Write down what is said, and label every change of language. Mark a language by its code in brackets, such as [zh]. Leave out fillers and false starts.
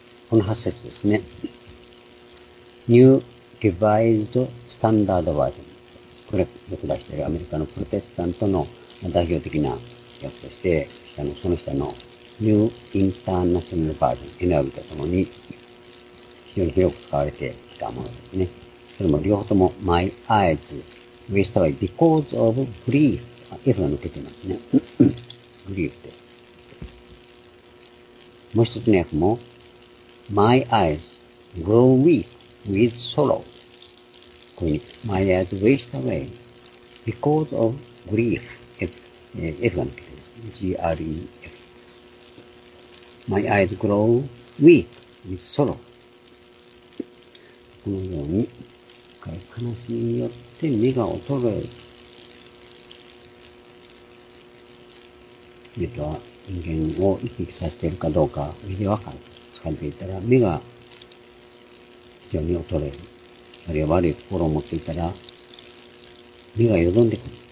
[ja] この8節ですね。New Revised Standard Version。これ、よく出しているアメリカのプロテスタントの代表的な訳として、その下の New International Version、NIV とともに非常に広く使われてきたものですね。それも両方とも [en] My Eyes Wasted Away Because of Grief。 [ja] F が抜けてますね。Grief です。もう一つの訳も、 [en] My eyes grow weak with sorrow. [ja] こういうに、 [en] My eyes waste away because of grief. [ja] F が抜けてます。G-R-E-F です。 [en] My eyes grow weak with sorrow. [ja] このように、悲しみによって目が衰える。目とは人間を生き生きさせているかどうか、目でわかる。感じていたら目が非常に衰える、あるいは悪い心を持っていたら目が淀んでくる。